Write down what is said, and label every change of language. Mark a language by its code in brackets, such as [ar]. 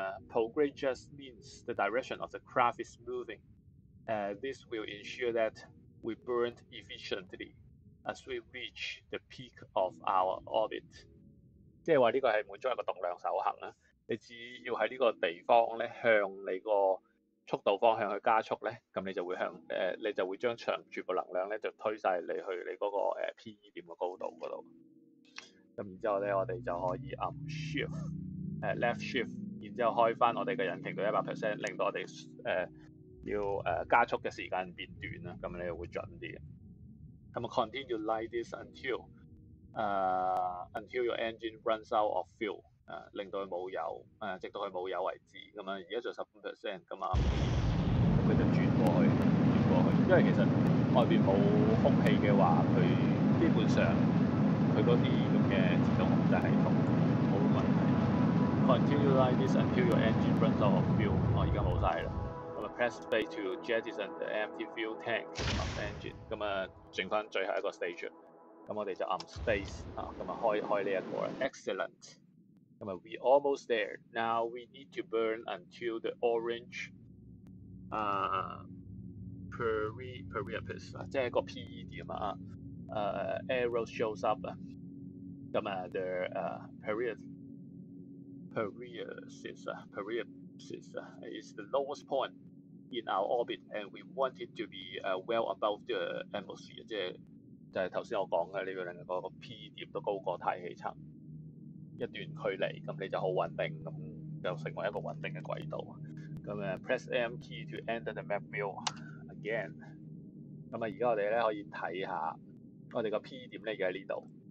[en] Prograde just means the direction of the craft is moving. This will ensure that we burn efficiently as we reach the peak of our orbit. [yue] 即係話呢個係滿足一個動量守恆啦。你只要喺呢個地方咧，向你個速度方向去加速咧，咁你就會向你就會將長住個能量咧，就推曬你去你嗰個PE 點嘅高度嗰度。咁然之後咧，我哋就可以按 shift， left shift。然後開翻我哋嘅引擎到 100%， 令到我哋要加速嘅時間變短啦，咁你會準啲。咁啊 ， [en] continue like this until your engine runs out of fuel， [yue] 令到佢冇油，直到佢冇油為止。咁啊，而家就 15%， 咁啊，佢就轉過去，因為其實外邊冇空氣嘅話，佢基本上佢嗰啲咁嘅自動控制系統。 [en] Continue like this until your engine runs out of fuel. [yue] 我已經冇曬啦。咁啊 [en] ，press space to jettison the empty fuel tank of the engine. [yue] 咁啊，剩翻最後一個 stage。咁我哋就按 space 啊，咁啊開呢一個啦。 [en] Excellent. [yue] 咁啊 [en] ，we almost there. Now we need to burn until the orange perihelion [yue] 啊，即係個 PE 點啊。 [en] Arrow shows up. [yue] 咁啊 [en] ，the perihelion is the lowest point in our orbit, and we want it to be well above the atmosphere. [yue] 就係頭先我講嘅，你要令個 P 點都高過大氣層一段距離，咁你就好穩定，咁就成為一個穩定嘅軌道。咁 [en] press M key to enter the map view again. [yue] 咁而家我哋咧可以睇下我哋個 P 點咧，而家喺呢度。